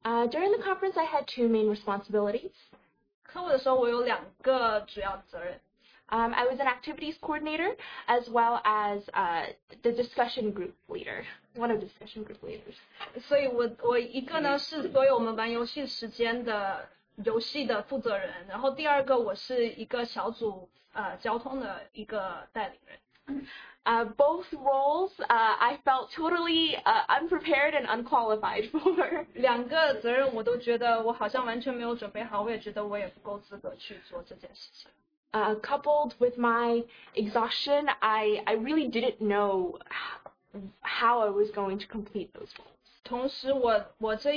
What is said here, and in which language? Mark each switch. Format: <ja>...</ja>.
<en>During the conference, I had two main responsibilities.</en> <zh>课的时候我有两个主要责任。</zh> <en>I was an activities coordinator as well as the discussion group leader, one of the discussion group leaders.</en> <zh>所以我一个呢是所有我们玩游戏时间的游戏的负责人，然后第二个我是一个小组交通的一个代理人。</zh> <en>Both roles I felt totally unprepared and unqualified for.</en> <zh>两个责任我都觉得我好像完全没有准备好，我也觉得我也不够资格去做这件事情。</zh> <en>Coupled with my exhaustion, I really didn't know how I was going to complete those roles.</en>